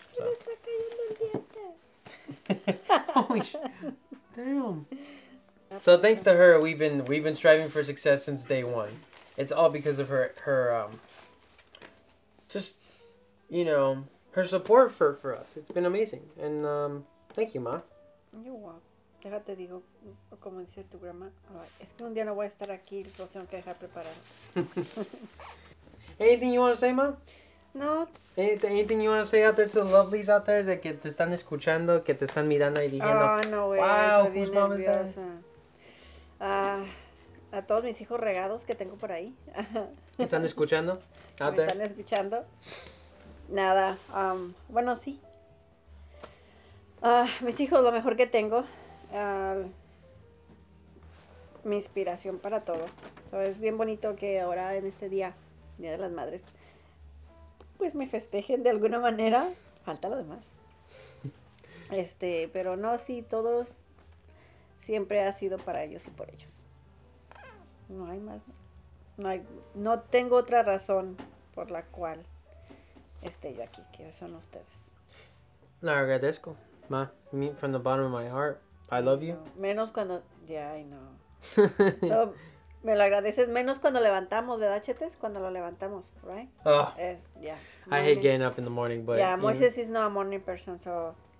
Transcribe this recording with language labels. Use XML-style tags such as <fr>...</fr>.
<en>So. Holy shit. Damn. So thanks to her, we've been striving for success since day one. It's all because of her just, you know, her support for us. It's been amazing. And thank you, Ma. You're welcome.</en> <es>Déjate digo, como dice tu grandma, es que un día no voy a estar aquí, entonces tengo que dejar preparado.</es> <en>Anything you want to say, Ma? No. Anything you want to say out there to the lovelies out there that</en> <es>te están escuchando, que te están mirando y diciendo,</es> <en>oh, no, wow, whose mom is that?</en> <es>A todos mis hijos regados que tengo por ahí. ¿Están escuchando? ¿Me están escuchando? Nada. Bueno, sí. Mis hijos, lo mejor que tengo. Mi inspiración para todo. So, es bien bonito que ahora en este día, Día de las Madres, pues me festejen de alguna manera. Falta lo demás. Pero no, sí, todos... Siempre ha sido para ellos y por ellos. No hay más. No tengo otra razón por la cual esté yo aquí, que son ustedes. No, agradezco.</es> <en>Ma, from the bottom of my heart, I love you.</en> <es>No, menos cuando...</es> <en>Yeah, I know.</en> <es>So, me lo agradeces menos cuando levantamos, ¿verdad, Chetes? Cuando lo levantamos, right?</es> <en>Oh, yeah. I hate getting up in the morning, but... Yeah, Moises is not a morning person, so...</en>